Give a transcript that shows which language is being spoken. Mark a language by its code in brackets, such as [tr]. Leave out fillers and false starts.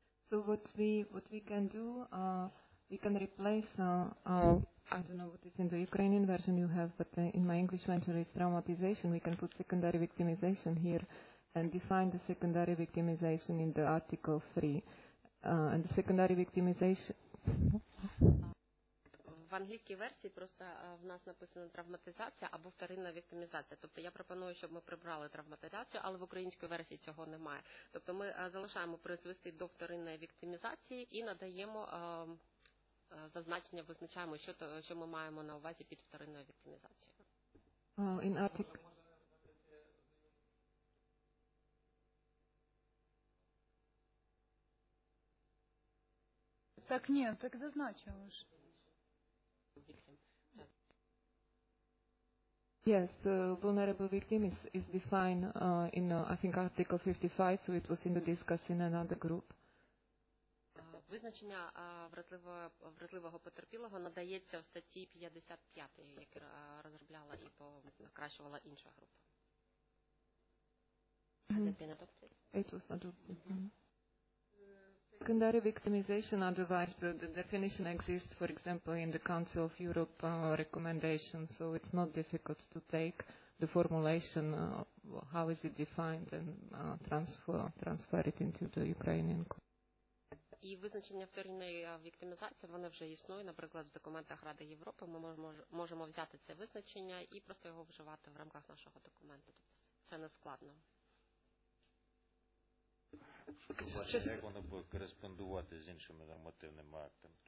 [en] So what we can do, we can replace, I don't know what is in the Ukrainian version you have, but in my English version is traumatization. We can put secondary victimization here and define the secondary victimization in the Article 3. And the secondary victimization... [uk] В англійській версії просто в нас написано травматизація або вторинна віктимізація. Тобто я пропоную, щоб ми прибрали травматизацію, але в українській версії цього немає. Тобто ми залишаємо призвести до вторинної віктимізації і надаємо зазначення, визначаємо, що ми маємо на увазі під вторинною віктимізацією. Так, ні, так зазначимо ж. [en] Yes, vulnerable victim is defined in, I think, Article 55, so it was in the discussion in another group. [uk] Визначення вразливого потерпілого надається в статті 55, яку розробляла і покращувала інша група. [en] It was adopted. Secondary victimization, otherwise the definition exists, for example, in the Council of Europe recommendation, so it's not difficult to take the formulation, how is it defined, and transfer it into the Ukrainian code. [uk] І визначення вторинної віктимізації, воно вже існує, наприклад, в документах Ради Європи. Ми можемо взяти це визначення і просто його вживати в рамках нашого документу. Це не складно. Як воно буде кореспондувати з іншими нормативними актами?